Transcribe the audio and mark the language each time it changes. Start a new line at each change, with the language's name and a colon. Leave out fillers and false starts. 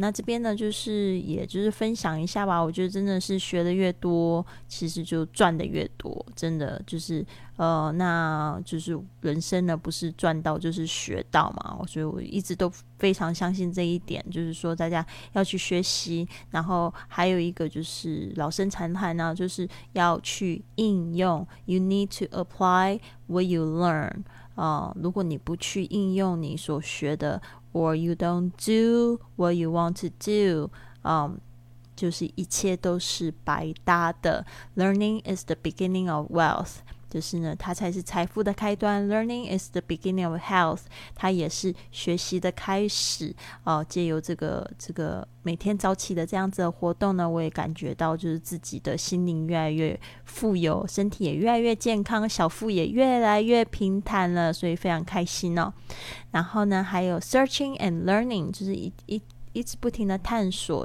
Chinese: 那这边呢就是也就是分享一下吧，我觉得真的是学的越多其实就赚的越多，真的就是那就是人生呢不是赚到就是学到嘛，所以我一直都非常相信这一点，就是说大家要去学习，然后还有一个就是老生常谈呢，就是要去应用，
English: You need to apply what you learn.
Chinese: 如果你不去应用你所学的，
English: or you don't do what you want to do,
Chinese: 就是一切都是白搭的。
English: Learning is the beginning of wealth.
Chinese: 就是呢，它才是财富的开端。
English: Learning is the beginning of health，
Chinese: 它也是学习的开始。借由这个每天早起的这样子的活动呢，我也感觉到就是自己的心灵越来越富有，身体也越来越健康，小腹也越来越平坦了，所以非常开心哦。然后呢，还有
English: searching and learning，
Chinese: 就是一直不停的探索。